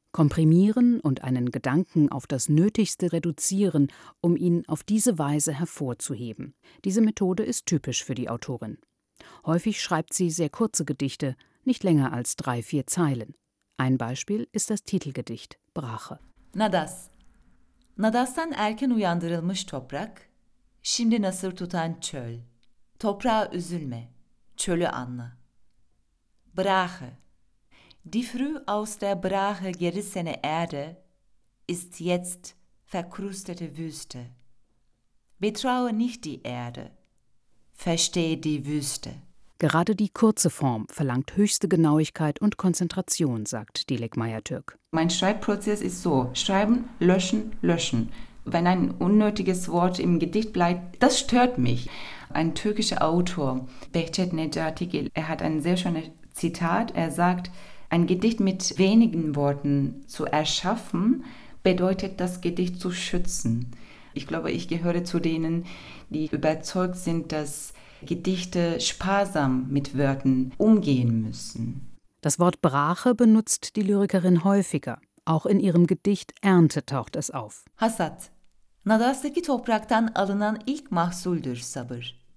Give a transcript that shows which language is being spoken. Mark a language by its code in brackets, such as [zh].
[de] Komprimieren und einen Gedanken auf das Nötigste reduzieren, um ihn auf diese Weise hervorzuheben. Diese Methode ist typisch für die Autorin. Häufig schreibt sie sehr kurze Gedichte, nicht länger als 3-4 Zeilen. Ein Beispiel ist das Titelgedicht Brache. [tr] Nadas. Nadas'tan erken uyandırılmış toprak, şimdi nasır tutan çöl. Toprağa üzülme, çölü anla. [de] Brache. Die früh aus der Brache gerissene Erde ist jetzt verkrustete Wüste. Betraue nicht die Erde, verstehe die Wüste. Gerade die kurze Form verlangt höchste Genauigkeit und Konzentration, sagt Dilek Mayatürk. Mein Schreibprozess ist so, schreiben, löschen, löschen. Wenn ein unnötiges Wort im Gedicht bleibt, das stört mich. Ein türkischer Autor, Behçet Necati Gül, er hat ein sehr schönes Zitat, er sagt, ein Gedicht mit wenigen Worten zu erschaffen, bedeutet, das Gedicht zu schützen. Ich glaube, ich gehöre zu denen, die überzeugt sind, dass Gedichte sparsam mit Wörtern umgehen müssen. Das Wort Brache benutzt die Lyrikerin häufiger. Auch in ihrem Gedicht Ernte taucht es auf. [tr] Hasat. Nadas'taki topraktan alınan ilk mahsuldür sabır.